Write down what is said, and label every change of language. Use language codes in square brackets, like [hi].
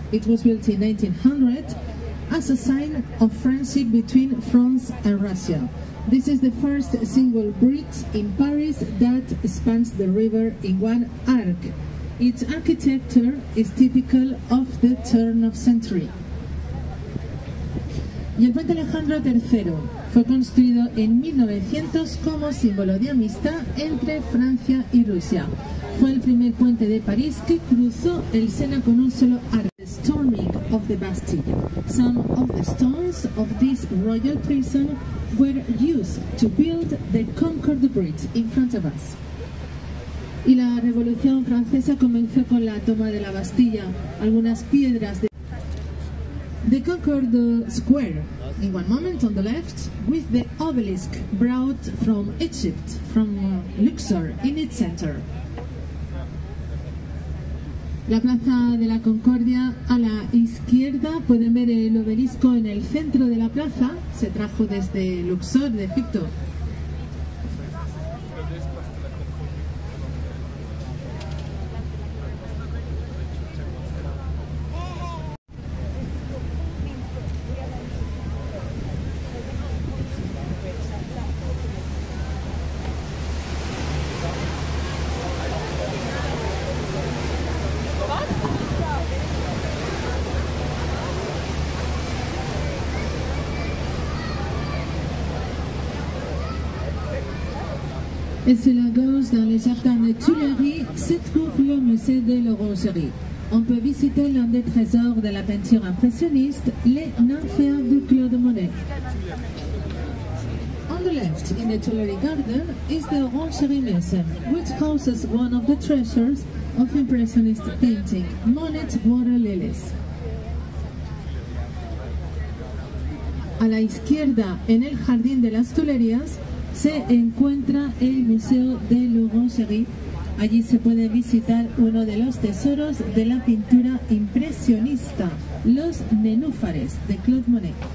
[en] It was built in 1900 as a sign of friendship between France and Russia. This is the first single bridge in Paris that spans the river in one arc. Its architecture is typical of the turn of century. [es] Y el puente Alejandro III fue construido en 1900 como símbolo de amistad entre Francia y Rusia. Fue el primer puente de París que cruzó el Sena con un solo arco. [en] The storming of the Bastille. Some of the stones of this royal prison were used to build the Concord Bridge in front of us. [es] Y la Revolución Francesa comenzó con la toma de la Bastilla. Algunas piedras de [en] the Concord Square, in one moment on the left, with the obelisk brought from Egypt, from Luxor, in its center. [es] La Plaza de la Concordia, a la izquierda, pueden ver el obelisco en el centro de la plaza. Se trajo desde Luxor, de Egipto. [fr] Et c'est la gauche, dans les jardins des Tuileries, se trouve le musée de l'Orangerie. On peut visiter l'un des trésors de la peinture impressionniste, les nymphéas de Claude Monet. [en] On the left, in the Tuileries Garden, is the Orangerie Museum, which houses one of the treasures of impressionist painting, Monet's water lilies. [es] A la izquierda, en el jardín de las Tuileries, se encuentra el Museo de l'Orangerie. Allí se puede visitar uno de los tesoros de la pintura impresionista, los nenúfares de Claude Monet.